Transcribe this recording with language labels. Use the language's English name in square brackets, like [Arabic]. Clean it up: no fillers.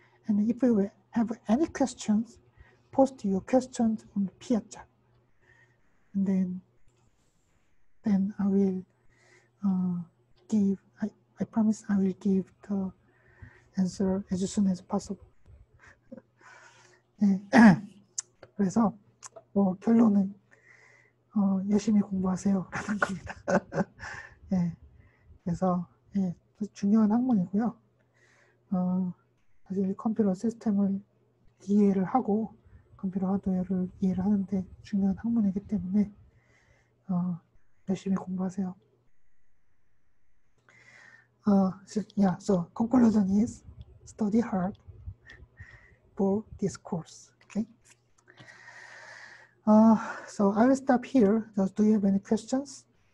[English] And if you have any questions, post your questions on the PR chat. And then I will give, I promise I will give the answer as soon as possible. [Korean] 그래서 뭐 결론은 열심히 공부하세요 라는 겁니다. 예, 그래서 예, 중요한 학문이고요. 사실 컴퓨터 시스템을 이해를 하고 컴퓨터 하드웨어를 이해를 하는데 중요한 학문이기 때문에 열심히 공부하세요. [English] Yeah, so conclusion is study hard for this course. So I will stop here. Do you have any questions?